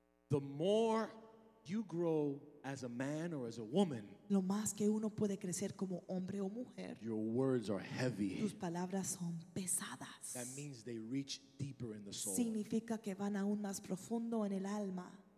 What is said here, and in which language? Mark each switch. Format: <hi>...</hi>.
<en>The more you grow as a man or as a woman,</en> <es>lo más que uno puede crecer como hombre o mujer,</es> <en>your words are heavy.</en> <es>Tus palabras son pesadas.</es> <en>That means they reach deeper in the soul.</en> <es>Significa que van aún más profundo en el alma.</es>